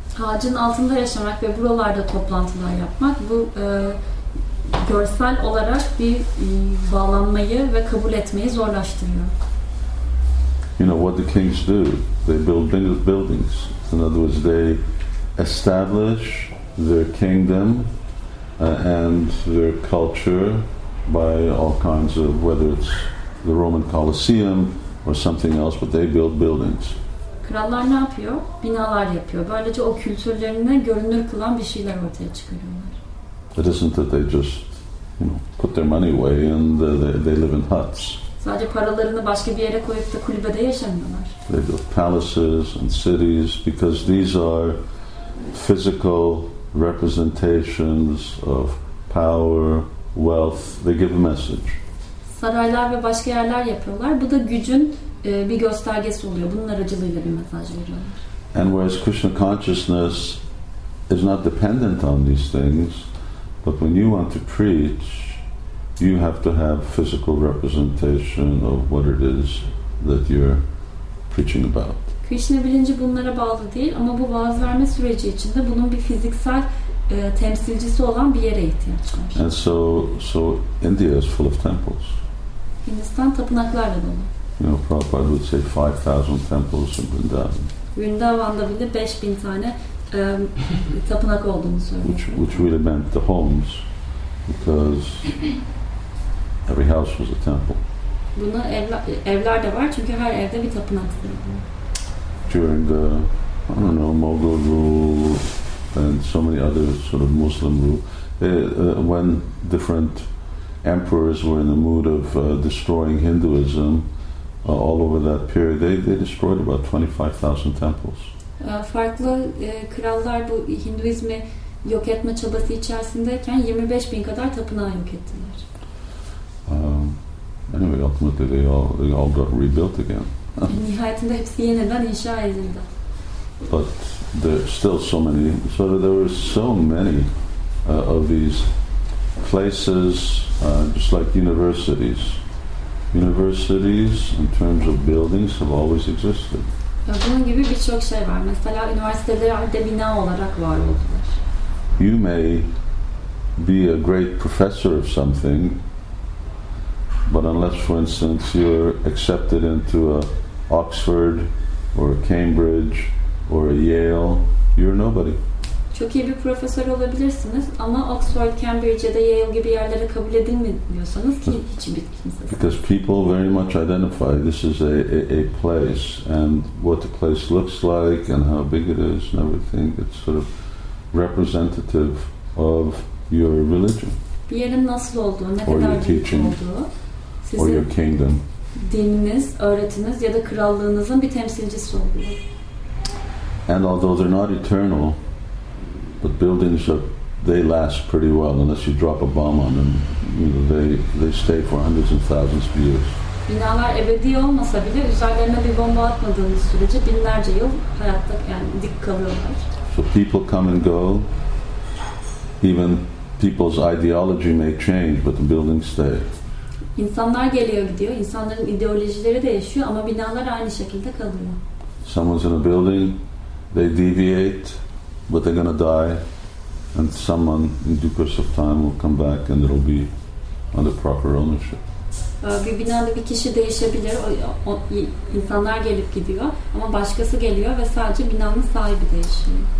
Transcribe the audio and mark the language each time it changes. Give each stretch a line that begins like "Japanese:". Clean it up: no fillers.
Turkish: Ağacın altında yaşamak ve buralarda toplantılar yapmak, bu görsel olarak bir bağlanmayı ve kabul etmeyi zorlaştırıyor.
English: You know what the kings do? They build buildings. In other words, they establish their kingdom and their culture by all kinds of, whether it's the Roman Colosseum or something else, but they build buildings.
Turkish: Krallar ne yapıyor? Binalar yapıyor. Böylece o kültürlerini görünür kılan bir şeyler ortaya çıkarıyorlar.
English: It isn't that they just, you know, put their money away and they live in huts.
Turkish: Sadece paralarını başka bir yere koyup da kulübede yaşamıyorlar.
English: They build palaces and cities because these are physical representations of power, wealth. They give a message.
Turkish: Saraylar ve başka yerler yapıyorlar. Bu da gücün bir göstergesi oluyor. Bunun aracılığıyla bir mesaj veriyorlar.
English: And whereas Krishna consciousness is not dependent on these things, but when you want to preach, you have to have physical representation of what it is that you're preaching about.
Turkish: Krishna bilinci bunlara bağlı değil, ama bu vaaz verme süreci içinde bunun bir fiziksel temsilcisi olan bir yere ihtiyaç var.
English: And so India is full of temples.
Turkish: Hindistan tapınaklarla dolu.
English: You know, Prabhupada would say 5,000 temples in Vrindavan.
Turkish: Vrindavan'da bile 5,000 tane tapınak olduğunu söylüyor.
English: Which really meant the homes, because every house was a temple.
Turkish: Buna evler de var, çünkü her evde bir tapınak var.
English: During the, I don't know, Mughal rule and so many other sort of Muslim rule, when different emperors were in the mood of destroying Hinduism all over that period, they destroyed about 25,000 temples.
Turkish: Farklı krallar bu Hinduizmi yok etme çabası içerisindeyken 25,000 kadar tapınağı yok ettiler.
English: Anyway, ultimately they all got rebuilt again.
Turkish: Nihayetinde hepsi yeniden inşa edildi.
English: But there are still so many. So there were so many of these places, just like universities. Universities, in terms of buildings, have always existed.
Turkish: Bunun gibi birçok şey var. Mesela üniversiteler de bina olarak var oldular.
English: You may be a great professor of something, but unless, for instance, you're accepted into a Oxford or a Cambridge or a Yale, you're nobody.
Turkish: Çok iyi bir profesör olabilirsiniz, ama Oxford, Cambridge ya da Yale gibi yerlere kabul edilmiyorsanız ki hiç bir kimse.
English: Because people very much identify this is a place, and what the place looks like and how big it is and everything, it's sort of representative of your religion.
Turkish: Bir yerin nasıl olduğu, ne kadar büyük
English: teaching,
Turkish: olduğu, sizin dininiz, öğretiniz ya da krallığınızın bir temsilcisi oluyor.
English: And although they're not eternal, but buildings they last pretty well unless you drop a bomb on them. You know, they stay for hundreds and thousands of years.
Turkish: Binalar ebedi olmasa bile üzerlerine bir bomba atmadığınız sürece binlerce yıl hayatta yani dik kalıyorlar.
English: So people come and go. Even people's ideology may change, but the buildings stay.
Turkish: İnsanlar geliyor gidiyor. İnsanların ideolojileri değişiyor, ama binalar aynı şekilde kalıyor.
English: Someone's in a building, they deviate, but they're going to die, and someone in due course of time will come back and it'll be under proper ownership.
Turkish: Bir binada bir kişi değişebilir, insanlar gelip gidiyor, ama başkası geliyor ve sadece binanın sahibi değişiyor.